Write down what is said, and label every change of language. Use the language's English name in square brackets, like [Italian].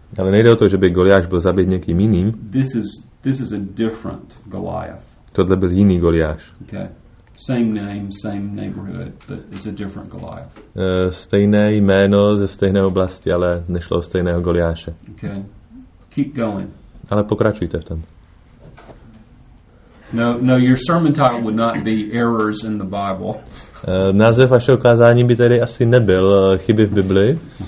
[Czech] Ale nejde o to, že by Goliáš byl zabit někým jiným. [English] This is a different Goliath. [Czech] Tohle byl jiný Goliáš. [English] Okay. Same name, same neighborhood, but it's a different Goliath. [Czech] Stejné jméno ze stejné oblasti, ale nešlo o stejného Goliáše. [English] Okay. Keep going. [Czech] Ale pokračujte v tom. [English] No, your sermon title would not be errors in the Bible. [Czech] Název vašeho kázání by tady asi nebyl chyby v Bibli.